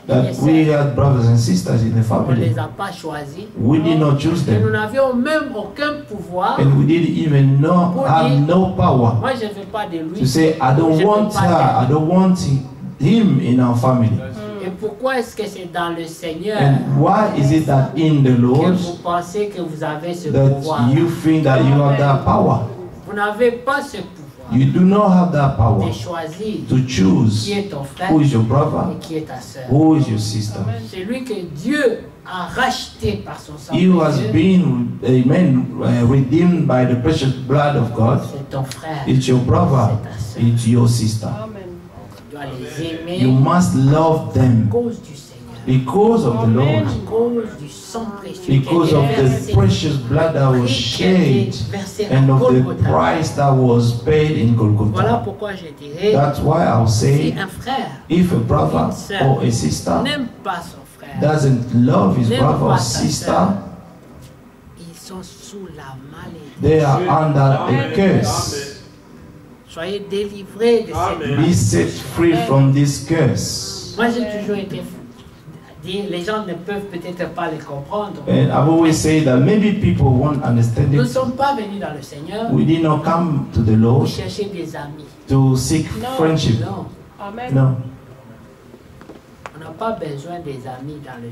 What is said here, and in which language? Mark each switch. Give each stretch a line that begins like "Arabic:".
English: that we had brothers and sisters in the family.
French: On ne les a pas choisis.
English: We did not choose them.
French: Et nous n'avions même aucun pouvoir,
English: and we didn't even know, have no power.
French: Moi, je veux pas de lui.
English: To say, I don't want her, I don't want him in our family.
French: Et pourquoi est-ce que c'est dans le Seigneur?
English: And why is it that in the Lord,
French: que vous pensez que vous avez ce
English: that
French: pouvoir?
English: You think that you have that power?
French: Vous n'avez pas ce pouvoir.
English: You do not have that power.
French: De choisir.
English: To choose.
French: Qui est ton frère?
English: Who is your brother?
French: Et qui est ta sœur?
English: Who is your sister? Amen.
French: C'est lui que Dieu a racheté par son sang.
English: He has been, amen, redeemed by the precious blood of God.
French: C'est ton frère.
English: It's your brother.
French: C'est ta sœur.
English: It's your sister. Amen.
French: Aimer,
English: you must love them
French: cause du Seigneur,
English: because of the Lord,
French: cause du sang précieux,
English: because of the precious blood that was shed and of Golgotha, the price that was paid in Golgotha.
French: Voilà pourquoi je dirais,
English: that's why I'll say,
French: si un frère,
English: if a brother or a sister
French: n'aime pas son frère,
English: doesn't love his brother or sister,
French: ils sont sous la malédiction,
English: they are under a curse.
French: Soyez délivrés de cette
English: curse. Be set free from this curse.
French: Moi, j'ai toujours été dit, les gens ne peuvent peut-être pas le comprendre.
English: And I've always said that maybe people won't understand it.
French: Nous ne sommes pas venus dans le Seigneur.
English: We did not come to the Lord.
French: Pour chercher des amis.
English: To seek friendship.
French: Non.
English: Amen. No.
French: On n'a pas besoin des amis dans le